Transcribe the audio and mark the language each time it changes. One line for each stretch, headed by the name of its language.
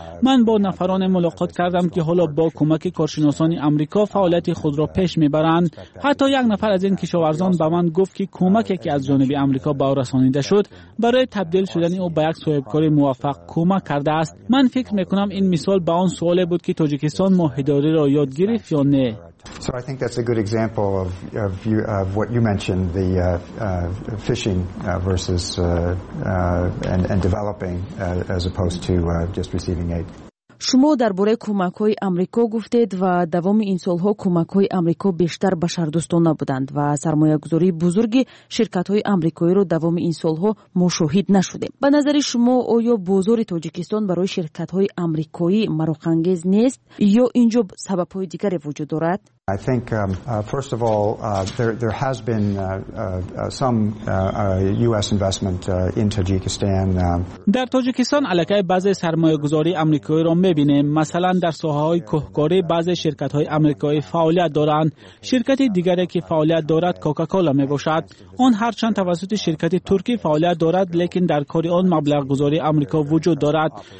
Persian: من با نفران ملاقات کردم که حالا با کمک کارشناسان آمریکا فعالیت خود را پیش می برند. حتی یک نفر از این کشاورزان به من گفت که کمکی که از جانب آمریکا به او رسانیده شد برای تبدیل شدن او به یک صاحبکار موفق کمک کرده است. من فکر میکنم این مثال به آن سوال بود که تاجیکستان ماهیداری را یاد گرفت یا نه.
English: So I think that's a good example of what you mentioned, the fishing versus and developing as opposed to just receiving aid.
Persian: شما درباره کمک های آمریکا گفتید و دوام این سالها کمک های آمریکا بیشتر بشردوستانه بودند و سرمایه گذاری بزرگی شرکت های آمریکایی رو دوام این سالها مشاهده نشده. به نظر شما آیا بازار تاجیکستان برای شرکت های آمریکایی مروغ‌انگیز نیست یا اینجا سبب های دیگری وجود دارد؟
English: I think first of all there has been some US investment in Tajikistan.
Persian: در تاجیکستان علاقه بعضی سرمایه‌گذاری آمریکایی را می‌بینیم. مثلا در ساحه‌های کوهکاری بعضی شرکت‌های آمریکایی فعالیت دارند. شرکت دیگری که فعالیت دارد کوکاکولا می‌باشد. آن هرچند توسط شرکت ترکی فعالیت دارد، لیکن در کار آن مبلغ‌گذاری آمریکا وجود دارد.